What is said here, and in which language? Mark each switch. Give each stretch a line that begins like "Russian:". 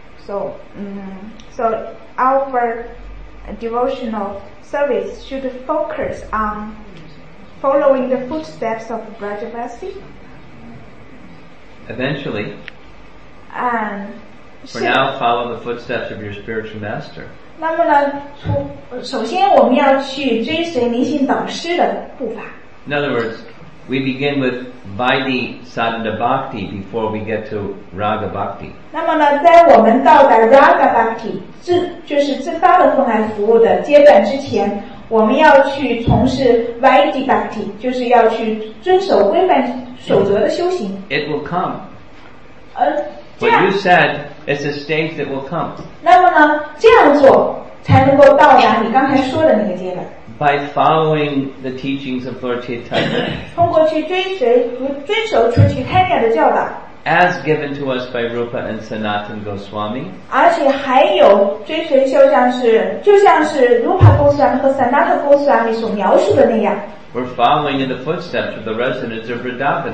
English: So our devotional service should focus on following the footsteps of Brajavasi. Eventually. And for now, follow the footsteps of your spiritual master.
Chinese: 那么呢，首先我们要去追随灵性导师的步伐。
English: In other words, we begin with Vaidhi Sadhana Bhakti before we get to Raga Bhakti.
Chinese: 那么呢，在我们到达 Raga Bhakti 自发的奉献服务的阶段之前，我们要去从事 Vaidhi Bhakti， 就是要去遵守规范守则的修行。
English: It will come.
Chinese: 这样。
English: What you said is a stage that will come.
Chinese: 那么呢，这样做才能够到达你刚才说的那个阶段。
English: By following the teachings of Lord Chaitanya,
Chinese: 通过去追随出去开念的教导
English: ，as given to us by Rupa and Sanatan Goswami，
Chinese: 而且还有追随就像是 Rupa Goswami 和 Sanatan Goswami 所描述的那样。
English: We're following in the footsteps of the residents of Vrindavan.